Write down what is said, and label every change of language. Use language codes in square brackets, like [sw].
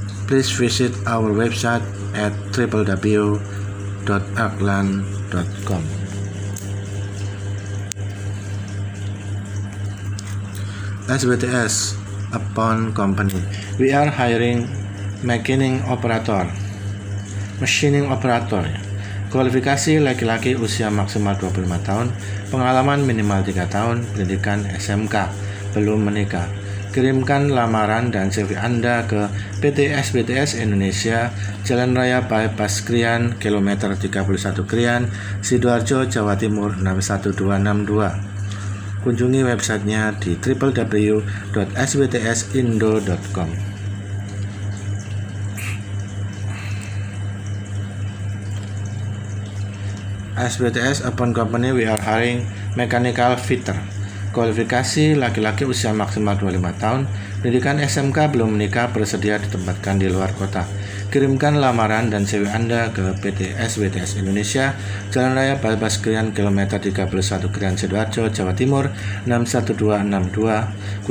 [en] Please visit our website at www.aklan.com. SBTS upon company. We are hiring machining operator, machining operator. [id] Kualifikasi laki-laki usia maksimal 25 tahun, pengalaman minimal 3 tahun, pendidikan SMK, belum menikah. Kirimkan lamaran dan CV Anda ke PT SBTS Indonesia, Jalan Raya Bypass Krian, kilometer 31 Krian, Sidoarjo, Jawa Timur 61262. Kunjungi websitenya di www.sbtsindo.com. [en] SBTS upon company, we are hiring mechanical fitter. [id] Kualifikasi laki-laki usia maksimal 25 tahun, pendidikan SMK, belum menikah, bersedia ditempatkan di luar kota. Kirimkan lamaran dan CV Anda ke PT SBTS Indonesia, Jalan Raya Bypass Krian, kilometer 31 Krian, Sidoarjo, Jawa Timur 61262.